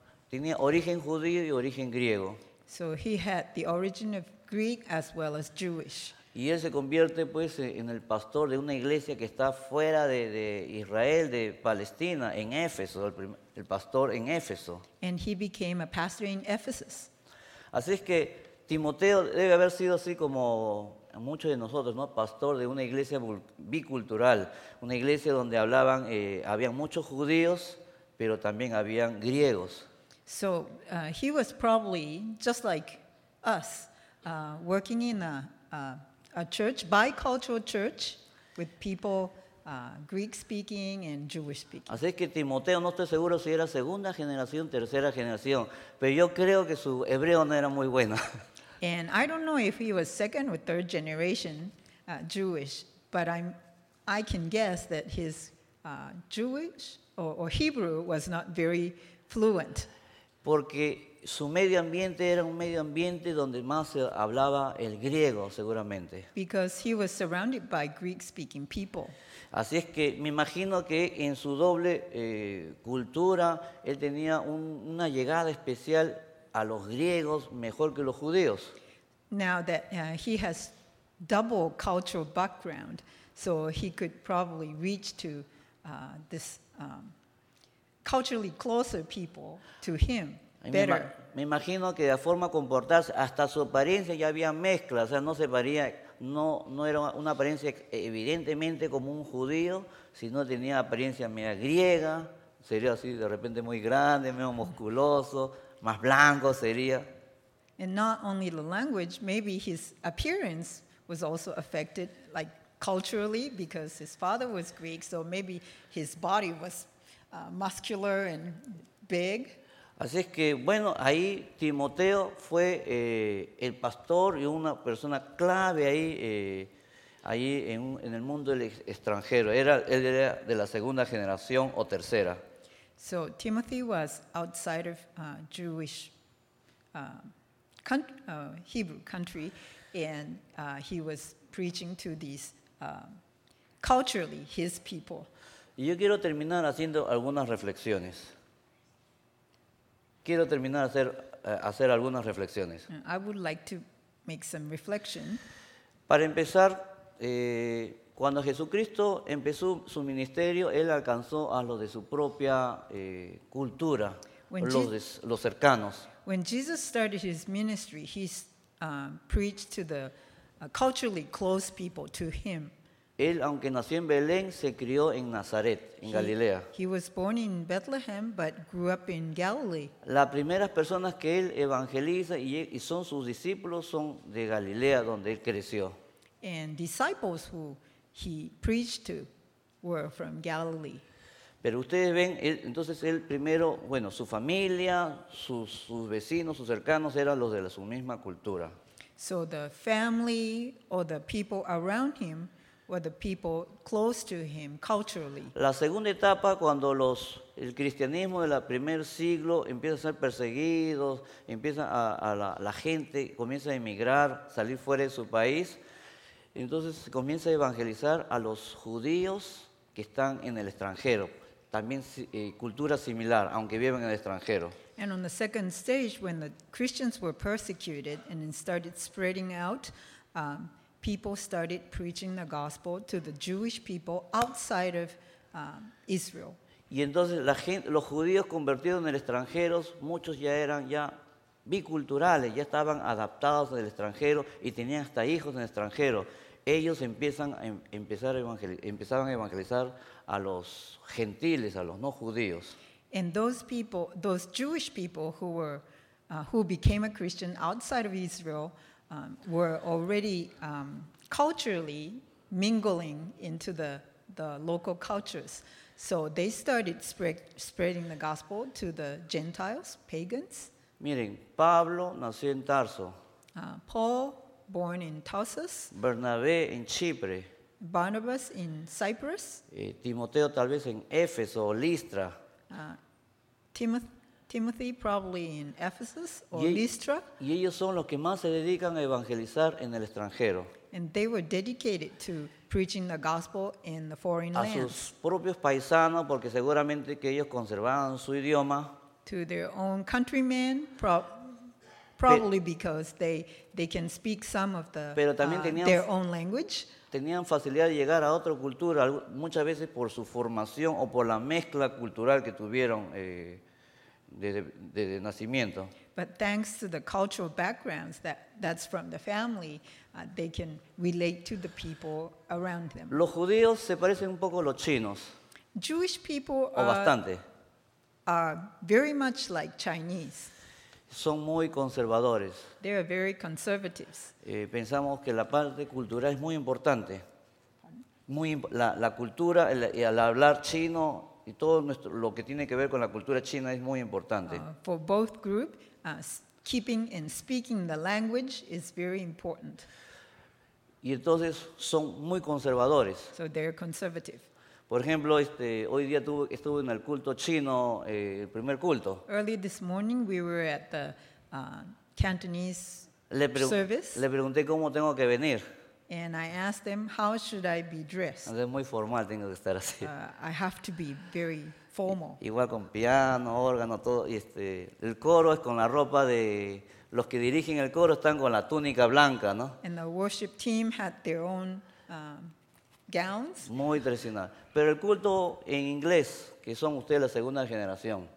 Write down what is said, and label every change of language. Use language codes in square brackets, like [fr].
[es] tenía origen judío y origen griego. [en] So he had the origin of Greek as well as Jewish. [es] Y él se convierte pues en el pastor de una iglesia que está fuera de Israel, de Palestina, en Éfeso, el pastor en Éfeso. [en] And he became a pastor in Ephesus. [es] Así es que Timoteo debe haber sido así como muchos de nosotros, ¿no? Pastor de una iglesia bicultural, una iglesia donde hablaban, habían muchos judíos, pero también habían griegos. [en] So he was probably just like us, working in a church, bicultural church, with people Greek speaking and Jewish speaking. [es] Así es que Timoteo, no estoy seguro si era segunda generación, tercera generación, pero yo creo que su hebreo no era muy bueno. [en] And I don't know if he was second or third generation Jewish, but I can guess that his Jewish or Hebrew was not very fluent. [es] Porque su medio ambiente era un medio ambiente donde más se hablaba el griego, seguramente. [en] Because he was surrounded by Greek-speaking people. [es] Así es que me imagino que en su doble cultura él tenía una llegada especial a los griegos mejor que los judíos. [en] Now that he has double cultural background, so he could probably reach to this culturally closer people to him better. [es] Me imagino que la forma de comportarse, hasta su apariencia ya había mezcla, o sea, no se paría, no era una apariencia evidentemente como un judío, sino tenía apariencia media griega, sería así de repente muy grande, medio musculoso. Más blanco sería. [en] And not only the language, maybe his appearance was also affected, like culturally, because his father was Greek, so maybe his body was muscular and big. [es] Así es que, bueno, ahí Timoteo fue el pastor y una persona clave ahí, ahí en el mundo extranjero. Él era de la segunda generación o tercera. [en] So Timothy was outside of Jewish Hebrew country, and he was preaching to these culturally his people. [es] Y yo quiero terminar haciendo algunas reflexiones. Quiero terminar hacer algunas reflexiones. [en] I would like to make some reflection. [es] Para empezar, cuando Jesucristo empezó su ministerio, él alcanzó a los de su propia cultura, los cercanos. [en] When Jesus started his ministry, he preached to the culturally close people to him. [es] Él, aunque nació en Belén, se crió en Nazaret, en Galilea. [en] He was born in Bethlehem, but grew up in Galilee. [es] Las primeras personas que él evangeliza y son sus discípulos son de Galilea, donde él creció. [en] And disciples who he preached to were from Galilee. [es] Pero ustedes ven, entonces él primero, bueno, su familia, sus vecinos, sus cercanos eran los de su misma cultura. [en] So the family or the people around him were the people close to him culturally. [es] La segunda etapa, cuando el cristianismo del primer siglo empieza a ser perseguido, empieza la gente comienza a emigrar, salir fuera de su país. Entonces se comienza a evangelizar a los judíos que están en el extranjero, también cultura similar, aunque viven en el extranjero. [en] And on the second stage, when the Christians were persecuted and then started spreading out, people started preaching the gospel to the Jewish people outside of Israel. [es] Y entonces los judíos convertidos en el extranjero, muchos ya eran ya biculturales, ya estaban adaptados al extranjero y tenían hasta hijos en el extranjero. Ellos empezaban a evangelizar a los gentiles, a los no judíos. [en] And those people, those Jewish people who were who became a Christian outside of Israel were already culturally mingling into the local cultures. So they started spreading the gospel to the Gentiles, pagans. [es] Miren, Pablo nació en Tarso. [en] Paul, born in Tarsus. [es] Bernabé en Chipre. [en] Barnabas in Cyprus. [es] Timoteo tal vez en Éfeso o Listra. [en] Timoth- Timothy probably in Ephesus or Lystra. [es] Y ellos son los que más se dedican a evangelizar en el extranjero. [en] And they were dedicated to preaching the gospel in the foreign lands. [es] A sus propios paisanos, porque seguramente que ellos conservaban su idioma. [en] To their own countrymen, probably because they can speak some of the [es] pero también tenían, [en] their own language. [es] Tenían facilidad de llegar a otra cultura, muchas veces por su formación o por la mezcla cultural que tuvieron desde nacimiento. [en] But thanks to the cultural backgrounds that's from the family, they can relate to the people around them. [es] Los judíos se parecen un poco a los chinos. [en] Jewish people are very much like Chinese. [es] Son muy conservadores. [en] They are very conservatives. [es] Pensamos que la parte cultural es muy importante. La cultura, y al hablar chino y todo nuestro, lo que tiene que ver con la cultura china es muy importante. [en] For both groups, keeping and speaking the language is very important. [es] Y entonces son muy conservadores. [en] So they're conservative. [es] Por ejemplo, hoy día estuve en el culto chino, el primer culto. [en] Early this morning we were at the Cantonese service. [es] Le pregunté cómo tengo que venir. [en] And I asked them how should I be dressed. [es] Es muy formal, tengo que estar así. [en] I have to be very formal. [es] Igual con piano, órgano, todo. Y el coro es con la ropa de los que dirigen el coro están con la túnica blanca, ¿no? [en] And the worship team had their own gowns. [es] Muy tradicional. Pero el culto en inglés, que son ustedes la segunda generación.